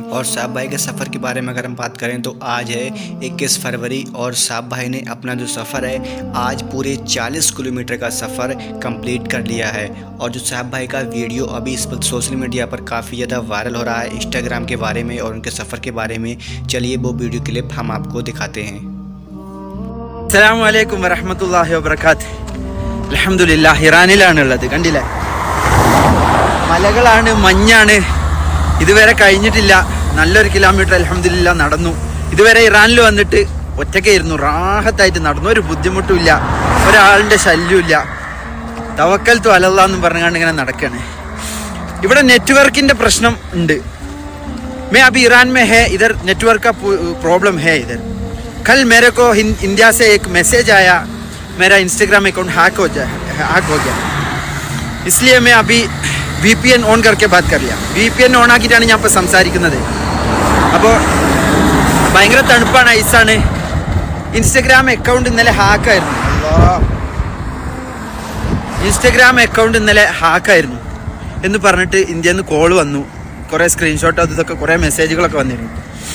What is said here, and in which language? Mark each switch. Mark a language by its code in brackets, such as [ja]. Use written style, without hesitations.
[hi] और साहब भाई के सफ़र के बारे में अगर हम बात करें तो आज है 21 फरवरी और साहब भाई ने अपना जो सफ़र है आज पूरे 40 किलोमीटर का सफ़र कंप्लीट कर लिया है। और जो साहब भाई का वीडियो अभी इस वक्त सोशल मीडिया पर काफ़ी ज़्यादा वायरल हो रहा है इंस्टाग्राम के बारे में और उनके सफ़र के बारे में, चलिए वो वीडियो क्लिप हम आपको दिखाते हैं। [ar] अस्सलाम वालेकुम रहमतुल्लाहि व बरकातुहु। [ml] अल्हम्दुलिल्लाह ईरानिलानुल्लद കണ്ടില്ല മലകളാണ് മഞ്ഞാണ് ഇതുവരെ കഴിഞ്ഞിട്ടില്ല നല്ലൊരു കിലോമീറ്റർ അൽഹംദുലില്ലാ നടന്നു ഇതുവരെ ഇറാനിൽ വന്നിട്ട് ഒറ്റയ്ക്കായിരുന്നു റാഹത്തായിട്ട് നടന്നു ഒരു ബുദ്ധിമുട്ടും ഇല്ല ഒരാളിൻ്റെ ശല്യവും ഇല്ല തവക്കൽ തു അല്ലാഹ് എന്ന് പറഞ്ഞുകൊണ്ട് ഇങ്ങനെ നടക്കുകയാണ് ഇവിടെ നെറ്റ്വർക്കിൻ്റെ പ്രശ്നം ഉണ്ട് [hi] मैं अभी ईरान में है, इधर नेटवर्क का प्रॉब्लम है इधर। कल मेरे को इंडिया से एक मैसेज आया, मेरा इंस्टाग्राम अकाउंट हैक हो गया, इसलिए मैं अभी VPN ऑन करके बात कर लिया। [ml] VPN ऑन ആക്കിയിട്ടാണ് ഞാൻ ഇപ്പോ സംസാരിക്കുന്നത്। അപ്പോൾ ഭയങ്കര തണുപ്പാണ്, ഐസാണ്, ഇൻസ്റ്റാഗ്രാം അക്കൗണ്ട് ഇന്നലെ ഹാക്കായിരുന്നു എന്ന് പറഞ്ഞിട്ട് ഇന്ത്യയിൽ നിന്ന് കോൾ വന്നു, കുറേ സ്ക്രീൻഷോട്ടും അതൊക്കെ കുറേ മെസ്സേജുകളൊക്കെ വന്നിരുന്നു।